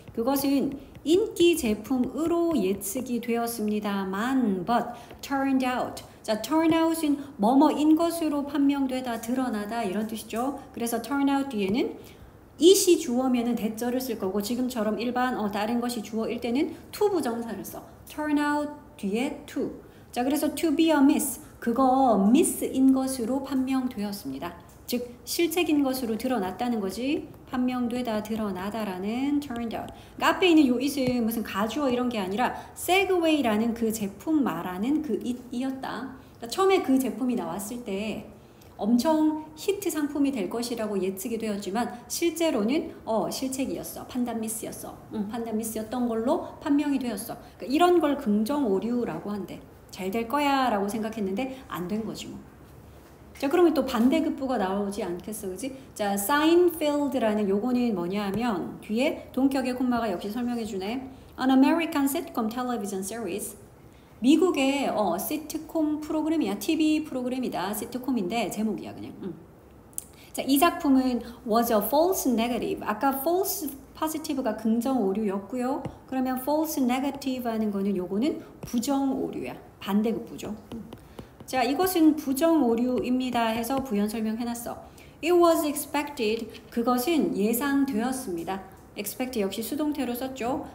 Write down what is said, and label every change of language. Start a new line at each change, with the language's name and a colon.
Korean: 그것은 인기 제품으로 예측이 되었습니다만
English: but turned out.
Korean: 자, turn out은 뭐뭐인 것으로 판명되다, 드러나다 이런 뜻이죠. 그래서 turn out 뒤에는 it이 주어면은 대절을 쓸 거고 지금처럼 일반 다른 것이 주어일 때는 to 부정사를 써. turn out 뒤에 to. 자, 그래서
English: to be a miss.
Korean: 그거 miss인 것으로 판명되었습니다. 즉 실책인 것으로 드러났다는 거지 판명되다 드러나다라는 turned out. 그러니까 앞에 있는 요 it은 무슨 가주어 이런 게 아니라 Segway라는 그 제품 말하는 그 it이었다. 그러니까 처음에 그 제품이 나왔을 때 엄청 히트 상품이 될 것이라고 예측이 되었지만 실제로는 실책이었어. 판단 미스였어. 판단 미스였던 걸로 판명이 되었어. 그러니까 이런 걸 긍정 오류라고 한대. 잘 될 거야 라고 생각했는데 안 된 거지 뭐. 자, 그러면 또 반대급부가 나오지 않겠어, 그지? 자, Seinfeld라는 요거는 뭐냐 하면 뒤에 동격의 콤마가 역시 설명해 주네.
English: An American sitcom television series.
Korean: 미국의 시트콤 프로그램이야. TV 프로그램이다. 시트콤인데 제목이야, 그냥. 자, 이 작품은
English: was a false negative.
Korean: 아까 false positive가 긍정 오류였고요. 그러면 false negative 하는 거는 요거는 부정 오류야. 반대급부죠. 자, 이것은 부정 오류입니다 해서 부연 설명해놨어.
English: It was expected.
Korean: 그것은 예상되었습니다. expect 역시 수동태로 썼죠.